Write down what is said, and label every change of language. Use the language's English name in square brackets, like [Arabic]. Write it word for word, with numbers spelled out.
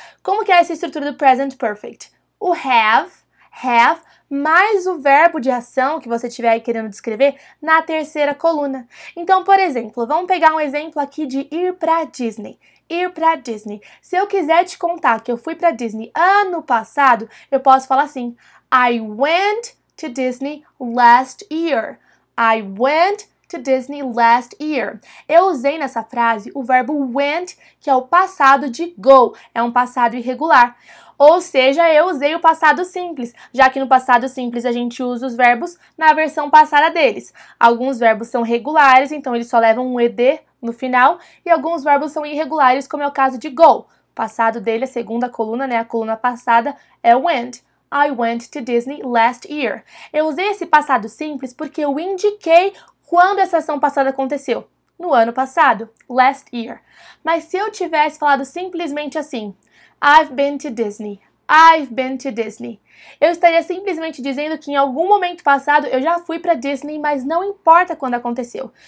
[Portuguese] Como que é essa estrutura do present perfect? O have, have, mais o verbo de ação que você estiver aí querendo descrever na terceira coluna. Então, por exemplo, vamos pegar um exemplo aqui de ir para Disney. Ir para Disney. Se eu quiser te contar que eu fui para Disney ano passado, eu posso falar assim: [English] I went to Disney last year. I went to Disney last year. [Portuguese] Eu usei nessa frase o verbo went, que é o passado de go, é um passado irregular. Ou seja, eu usei o passado simples, já que no passado simples a gente usa os verbos na versão passada deles. Alguns verbos são regulares, então eles só levam um ed no final, e alguns verbos são irregulares, como é o caso de go. O passado dele, a segunda coluna, né, a coluna passada, é went. [English] I went to Disney last year. [Portuguese] Eu usei esse passado simples porque eu indiquei quando essa ação passada aconteceu. No ano passado, [English] last year. [Portuguese] Mas se eu tivesse falado simplesmente assim, [English] I've been to Disney, [Portuguese] I've been to Disney, eu estaria simplesmente dizendo que em algum momento passado eu já fui para Disney, mas não importa quando aconteceu.